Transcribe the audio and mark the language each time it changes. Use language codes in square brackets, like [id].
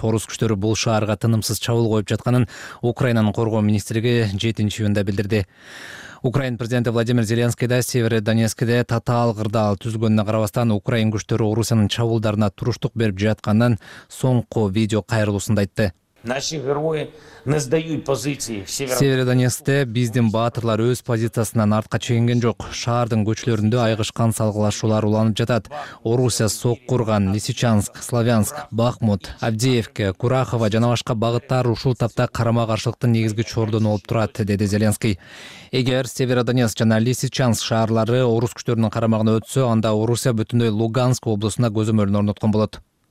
[ky] Орус күчтөрү бул шаарга тынымсыз чабуул коюп жатканын Украинанын коргоо министрлиги 7 июнда билдирди. Украин президенти Владимир Зеленский да Северодонецкде татаал кырдаал түзгөнүнө карабастан украин күчтөрү Орусиянын чабуулдарына туруштук берип жатканын соңку видео кайрылуусунда айтты. [ru] Наши герои не сдают позиции в Северодонецке. [ky] Северодонецкте биздин баатырлар өз позициясынан артка чегинген жок. Шаардын көчөлөрүндө айгышкан салгылашуулар уланып жатат. Орусия Соккурган, Лисичанск, Славянск, Бахмут, Авдеевка, Курахова жана башка багыттар ушул тапта карама-каршылыктын негизги чордону болуп турат, деди Зеленский. Эгер Северодонецк жана Лисичанск шаарлары орус күчтөрүнүн карамагына өтсө, анда Орусия бүтүндөй Луганск облусуна көзөмөлүн орноткон болот.